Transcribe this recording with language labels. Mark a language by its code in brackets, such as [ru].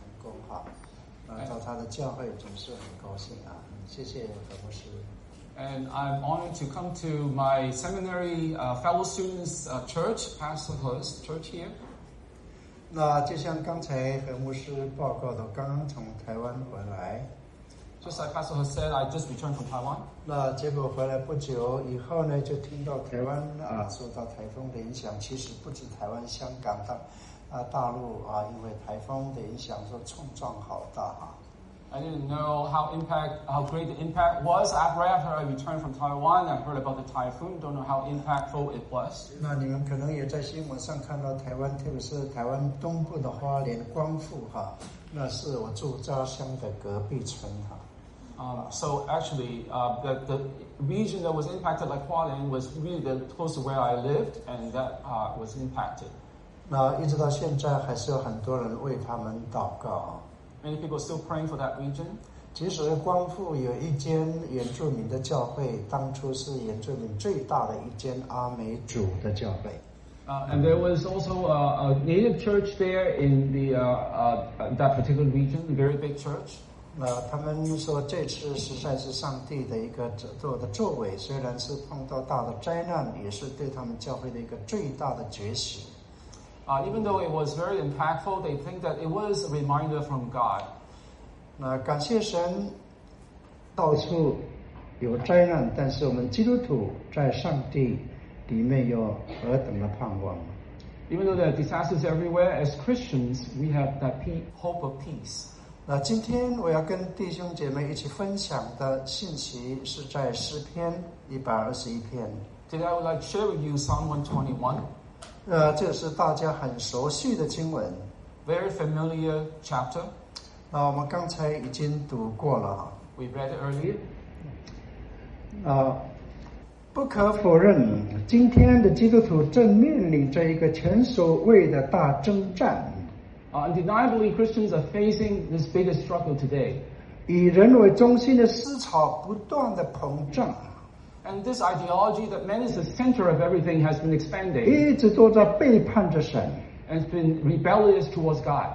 [zh] 工好，找他的教会总是很高兴啊，谢谢何博士。 [en] And I'm honored to come to my seminary fellow students' church, Pastor Hurst Church here. [zh] 那就像刚才何牧师报告的，刚刚从台湾回来。 [en] Just like Pastor Hurst said, I just returned from Taiwan. [zh] 那结果回来不久以后呢，就听到台湾啊受到台风的影响。其实不止台湾，香港的大陆啊，因为台风的影响，说冲撞好大啊。 [en] I didn't know how great the impact was. After I returned from Taiwan, I heard about the typhoon. Don't know how impactful it was. [zh] 那你们可能也在新闻上看到台湾，特别是台湾东部的花莲光复哈，那是我住家乡的隔壁村哈。 [en] So actually, the region that was impacted, like Hualien, was really the close to where I lived, and that was impacted. [zh] 那一直到现在，还是有很多人为他们祷告。 [en] Many people are still praying for that region. [zh] 其实光复有一间原住民的教会，当初是原住民最大的一间阿美族的教会。 [en] And there was also a native church there in the that particular region, a very big church. [zh] 他们说这次实在是上帝的一个做的作为，虽然是碰到大的灾难，也是对他们教会的一个最大的觉醒。 [en] Even though it was very impactful, they think that it was a reminder from God. [zh] 那感谢神，到处有灾难，但是我们基督徒在上帝里面有何等的盼望。 [en] Even though there are disasters everywhere, as Christians, we have that hope of peace. [zh] 那今天我要跟弟兄姐妹一起分享的信息是在诗篇121篇。 [en] Today I would like to share with you Psalm 121. [zh] 这是大家很熟悉的经文 [en] ，very familiar chapter。 [zh] 那我们刚才已经读过了 [en] ，we read earlier。 [zh] 不可否认，今天的基督徒正面临着一个前所未的大征战。 [en] Undeniably, Christians are facing this biggest struggle today。 [zh] 以人为中心的思潮不断的膨胀。 [en] And this ideology that man is the center of everything has been expanding. [zh] 一直都在背叛着神。 [en] And been rebellious towards God.